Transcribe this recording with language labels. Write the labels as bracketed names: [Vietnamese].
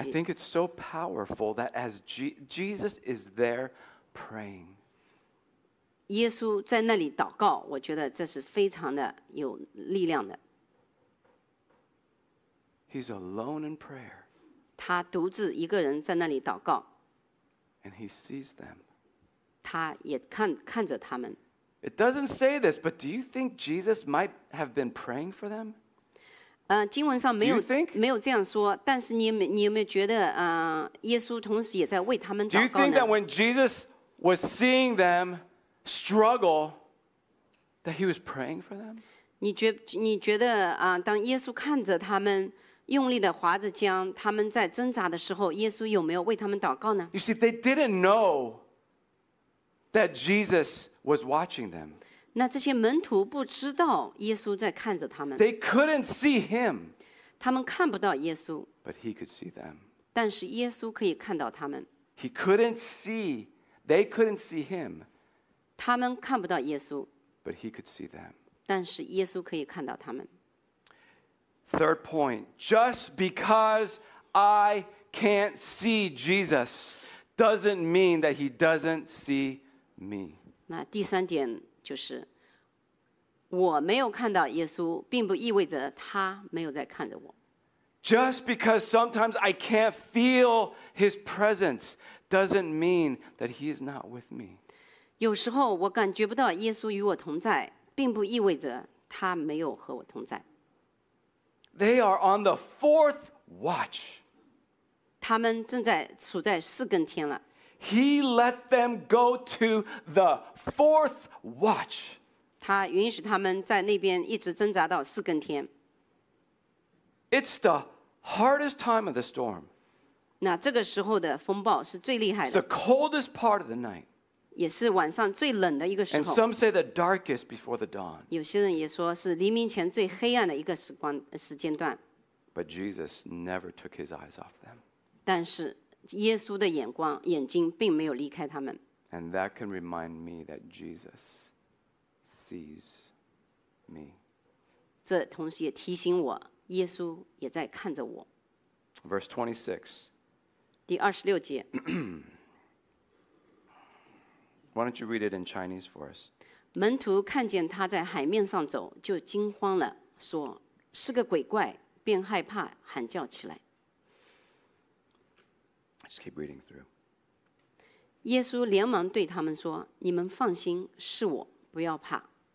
[English] I think it's so powerful that as Jesus is there praying, [Chinese] 耶稣在那里祷告，我觉得这是非常的有力量的。 [English] He's alone in prayer. [Chinese] 他独自一个人在那里祷告。 [English] And he sees them. [Chinese] 他也看着他们。 [English] It doesn't say this, but do you think Jesus might have been praying for them? [Chinese] 经文上没有 没有这样说，但是你有没有觉得，耶稣同时也在为他们祷告呢？ [English] Do you think that when Jesus was seeing them struggle, that he was praying for them? [Chinese] 你觉得，当耶稣看着他们用力地划着桨，他们在挣扎的时候，耶稣有没有为他们祷告呢？ [English] You see, they didn't know that Jesus was watching them. [Chinese] 那这些门徒不知道耶稣在看着他们。 [English] They couldn't see him. [Chinese] 他们看不到耶稣。 [English] But he could see them. [Chinese] 但是耶稣可以看到他们。 [English] He couldn't see, they couldn't see him. [Chinese] 他们看不到耶稣。 [English] But he could see them. [Chinese] 但是耶稣可以看到他们。 [English] Third point, just because I can't see Jesus doesn't mean that he doesn't see me. [Chinese] 那第三点就是，我没有看到耶稣，并不意味着他没有在看着我。 [English] Just because sometimes I can't feel his presence doesn't mean that he is not with me. [Chinese] 有时候我感觉不到耶稣与我同在，并不意味着他没有和我同在。 [English] They are on the fourth watch. [Chinese] 他们正在处在四更天了。 [English] He let them go to the fourth watch. [Chinese] 他允许他们在那边一直挣扎到四更天。 [English] It's the hardest time of the storm. [Chinese] 那这个时候的风暴是最厉害的。 [English] It's the coldest part of the night. [Chinese] 也是晚上最冷的一个时候。 [English] And some say the darkest before the dawn. [Chinese] 有些人也说是黎明前最黑暗的一个时间段。 [English] But Jesus never took his eyes off them. [Chinese] 但是耶稣的眼睛并没有离开他们。 [English] And that can remind me that Jesus sees me. [Chinese] 这同时也提醒我，耶稣也在看着我。 [English] Verse 26. [Chinese] 第二十六节。 [English] Why don't you read it in Chinese for us? [Chinese] 门徒看见他在海面上走，就惊慌了，说是个鬼怪，便害怕，喊叫起来。 [English] Just keep reading through. [Chinese] 耶稣连忙对他们说，你们放心，是我，不要怕。